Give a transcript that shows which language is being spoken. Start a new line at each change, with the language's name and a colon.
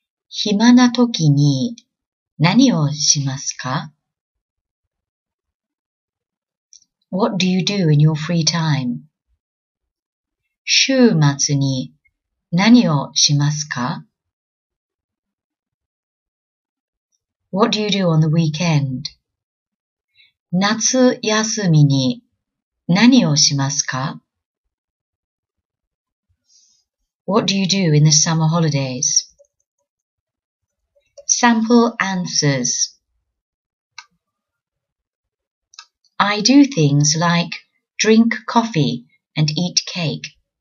Japanese: 暇な時に何をしますか?
English: What do you do in your free time?
Japanese: 週末に何をしますか?
English: What do you do on the weekend?
Japanese: 夏休みに何をしますか?
English: What do you do in the summer holidays? Sample answers. I do things like drink coffee and eat cake.